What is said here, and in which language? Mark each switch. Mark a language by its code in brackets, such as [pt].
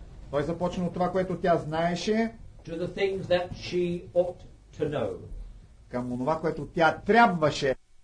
[bg] Той започна от това, което тя знаеше, [en] to the things that she ought to know. [bg] Към онова, което тя трябваше